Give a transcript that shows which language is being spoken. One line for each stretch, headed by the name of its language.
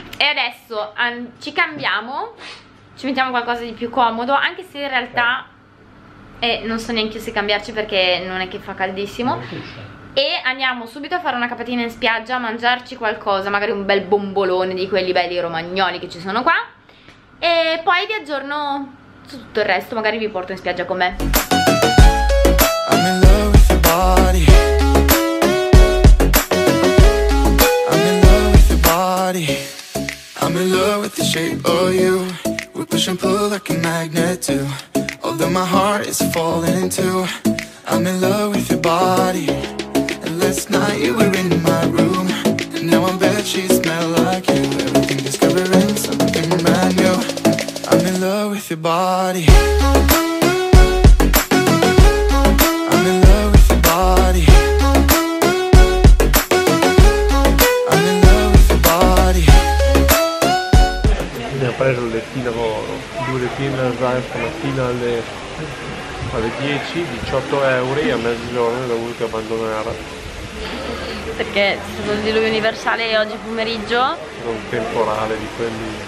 Italian: E adesso ci cambiamo, ci mettiamo qualcosa di più comodo, anche se in realtà non so neanche se cambiarci, perché non è che fa caldissimo. E andiamo subito a fare una capatina in spiaggia, a mangiarci qualcosa, magari un bel bombolone di quelli belli romagnoli che ci sono qua. E poi vi aggiorno su tutto il resto, magari vi porto in spiaggia con me.
English: I'm in love with your body. I'm in love with your body. I'm in love with the shape of you. We push and pull like a magnet too. Although my heart is falling too. I'm in love with your body. Last night you were in my room, and now I'm bet she smell like you. Everything discovering something brand new. I'm in love with your body. I'm in love with your body. I'm in love with your body.
Italian: Abbiamo preso le lettine d'oro, 2 lettine da Zain stamattina alle 10, 18 euro a mezzogiorno, l'ho voluto abbandonare. Perché c'è stato il diluvio universale oggi pomeriggio. Un temporale di quelli.